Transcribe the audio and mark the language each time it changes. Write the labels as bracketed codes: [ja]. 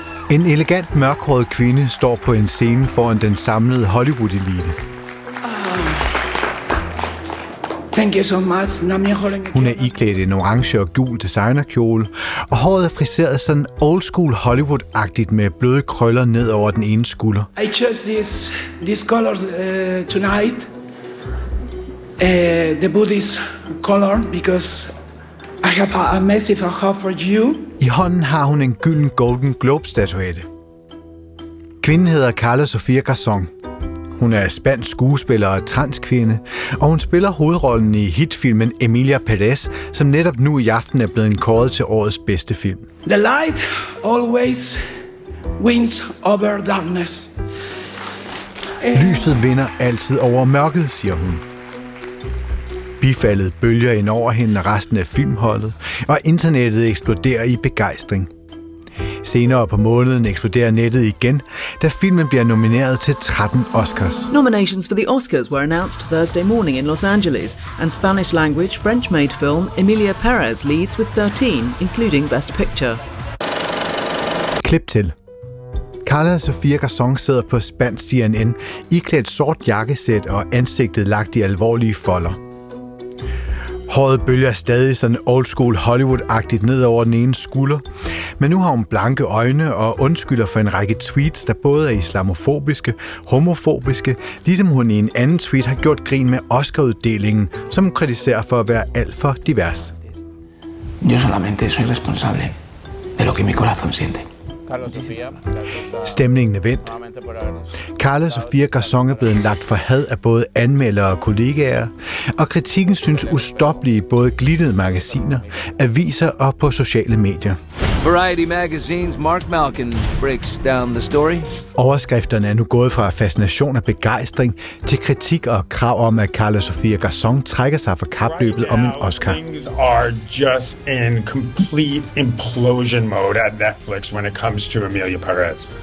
[da] En elegant mørkhåret kvinde står på en scene foran den samlede Hollywood-elite. [en] Thank you so much. [da] Hun er iklædt en orange og gul designerkjole, og håret er friseret sådan old school Hollywood-agtigt med bløde krøller ned over den ene skulder. [en] I chose these colors tonight. The Buddhist color because I have a massive heart for you. [da] I hånden har hun en gylden Golden Globe statuette. Kvinden hedder Carla Sofia Garzón. Hun er spansk skuespiller og transkvinde, og hun spiller hovedrollen i hitfilmen Emilia Perez, som netop nu i aften er blevet kåret til årets bedste film. [en] The light always wins over darkness. [da] Lyset vinder altid over mørket, siger hun. Bifaldet bølger ind over hende og resten af filmholdet, og internettet eksploderer i begejstring. Senere på måneden eksploderer nettet igen, da filmen bliver nomineret til 13 Oscars. [en] Nominations for the Oscars were announced Thursday morning in Los Angeles, and Spanish language French-made film Emilia Perez leads with 13, including Best Picture. [da] Klip til. Carla Sofia Garzón sidder på spansk CNN, iklædt sort jakkesæt og ansigtet lagt i alvorlige folder. Håret bølger stadig sådan old school Hollywood-agtigt ned over den ene skulder. Men nu har hun blanke øjne og undskylder for en række tweets, der både er islamofobiske, homofobiske, ligesom hun i en anden tweet har gjort grin med Oscar-uddelingen, som hun kritiserer for at være alt for divers. [es] Jeg solamente soy responsable de lo que mi corazón siente. [da] Stemningen er vendt. Carla Sofia Garzón er blevet lagt for had af både anmeldere og kollegaer, og kritikken synes ustoppelig i både glittede magasiner, aviser og på sociale medier. [en] Variety Magazine's Mark Malkin breaks down the story. [da] Overskrifterne er nu gået fra fascination og begejstring til kritik og krav om, at Carla Sofia Gazon trækker sig fra kapløbet om en Oscar. [en] Right now, things are just in complete implosion mode at Netflix when it comes to Emilia Perez.